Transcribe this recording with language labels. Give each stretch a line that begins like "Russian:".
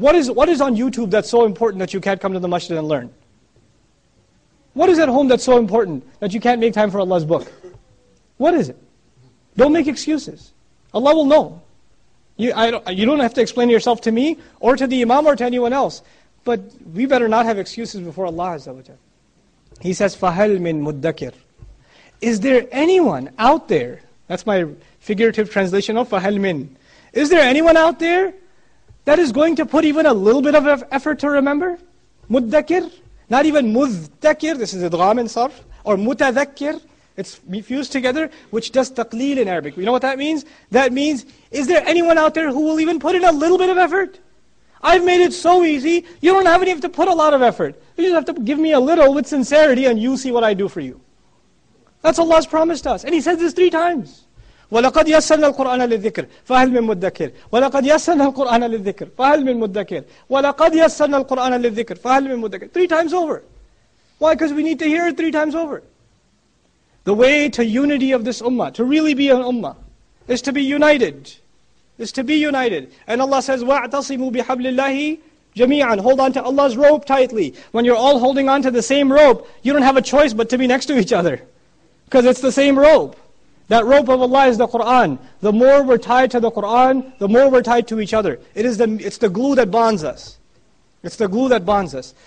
English: What is on YouTube that's so important that you can't come to the masjid and learn? What is at home that's so important that you can't make time for Allah's book? What is it? Don't make excuses. Allah will know. You don't have to explain yourself to me or to the imam or to anyone else. But we better not have excuses before Allah Azza wa Jalla. He says,
Arabic: فَهَلْ مِن مُدَّكِرْ.
English: Is there anyone out there? That's my figurative translation of
Arabic: فَهَلْ مِن.
English: Is there anyone out there that is going to put even a little bit of effort to remember?
Arabic: مُدَّكِرْ.
English: Not even مُذْتَكِرْ. This is إِدْغَامِ in صَرْف.
Arabic: Or مُتَذَكِّرْ.
English: It's fused together, which does taqleel in Arabic. You know what that means? That means, is there anyone out there who will even put in a little bit of effort? I've made it so easy, you don't have any to put a lot of effort. You just have to give me a little with sincerity and you see what I do for you. That's Allah's promise to us. And He says this 3 times.
Arabic: وَلَقَدْ يَسَّرْنَا الْقُرْآنَ لِلذِّكْرِ فَهَلْ مِن مُدَّكِرِ وَلَقَدْ يَسَّرْنَا الْقُرْآنَ لِلذِّكْرِ فَهَلْ مِن مُدَّكِرِ وَلَقَدْ يَسَّرْنَا الْقُرْآنَ لِلذِّكْرِ فَهَلْ مِن مُدَّكِرِ
English: 3 times over. Why? Because we need to hear it 3 times over. The way to unity of this ummah, to really be an ummah, is to be united. Is to be united. And Allah says,
Arabic: وَاعْتَصِمُوا بِحَبْلِ اللَّهِ جَمِيعًا.
English: Hold on to Allah's rope tightly. When you're all holding on to the same rope, you don't have a choice but to be next to each other. Because it's the same rope. That rope of Allah is the Qur'an. The more we're tied to the Qur'an, the more we're tied to each other. It's the glue that bonds us. It's the glue that bonds us.